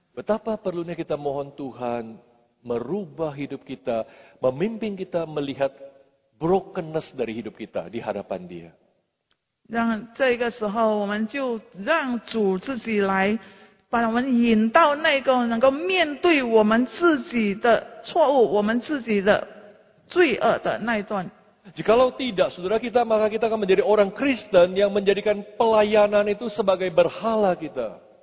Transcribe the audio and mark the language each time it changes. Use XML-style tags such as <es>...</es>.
<id>Betapa perlunya kita mohon Tuhan merubah hidup kita, memimpin kita melihat brokenness dari hidup kita di hadapan dia.</id> <zh>让这个时候我们就让主自己来把我们引到那个能够面对我们自己的错误，我们自己的罪恶的那一段。</zh> <id>Jikalau tidak, saudara kita, maka kita akan menjadi orang Kristen yang menjadikan pelayanan itu sebagai berhala kita.</id>